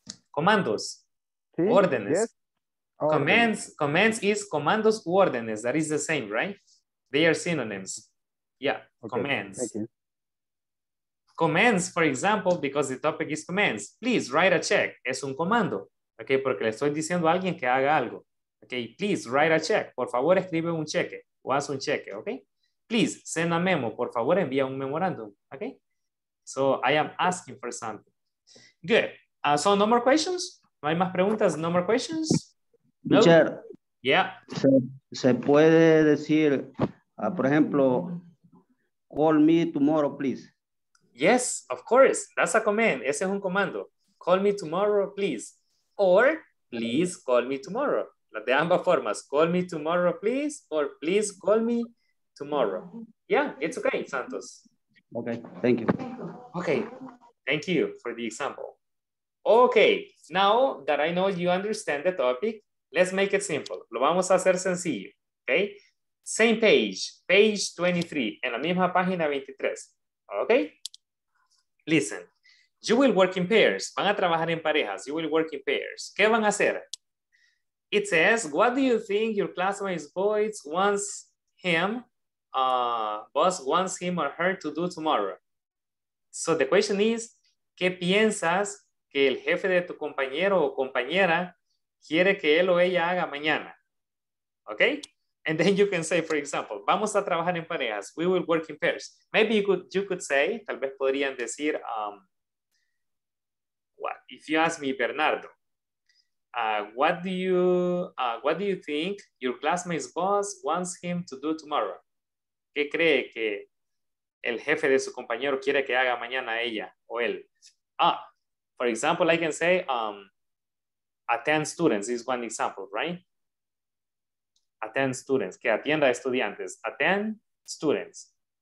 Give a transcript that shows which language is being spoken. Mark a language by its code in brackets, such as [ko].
[es] Comandos. Sí, [en] órdenes. Yes. Commands, okay. Commands is [es] comandos u órdenes. [en] That is the same, right? They are synonyms. Yeah, okay. Commands. Thank you. Commands, for example, because the topic is commands. Please write a check. [es] Es un comando. Okay, porque le estoy diciendo a alguien que haga algo. Okay, [en] please write a check. [es] Por favor, escribe un cheque. O haz un cheque, okay? [en] Please send a memo. [es] Por favor, envía un memorándum. [en] Okay? So I am asking for something. Good. So no more questions? [es] No hay más preguntas? [en] No more questions? No? Teacher. Yeah. [es] Se puede decir, por ejemplo, [en] call me tomorrow, please. Yes, of course. That's a command. [es] Ese es un comando. [en] Call me tomorrow, please. Or please call me tomorrow. [es] De ambas formas. [en] Call me tomorrow, please. Or please call me tomorrow. Yeah, it's okay, Santos. Okay, thank you. Okay, thank you for the example. Okay, now that I know you understand the topic, let's make it simple. [es] Lo vamos a hacer sencillo. [en] Okay, same page, page 23, [es] en la misma página 23. [en] Okay. Listen, you will work in pairs. [es] Van a trabajar en parejas. [en] You will work in pairs. [es] ¿Qué van a hacer? [en] It says, what do you think your classmate's boss wants him, or her to do tomorrow? So the question is, [es] ¿qué piensas que el jefe de tu compañero o compañera quiere que él o ella haga mañana? Okay? [en] And then you can say, for example, [es] vamos a trabajar en parejas. [en] We will work in pairs. Maybe you could say, [es] tal vez podrían decir, [en] what? If you ask me, Bernardo, what do you think your classmate's boss wants him to do tomorrow? [es] ¿Qué cree que el jefe de su compañero quiere que haga mañana ella o él? [en] Ah, for example, I can say, attend students is one example, right? Attend students, [es] que atienda estudiantes. [en] Attend students.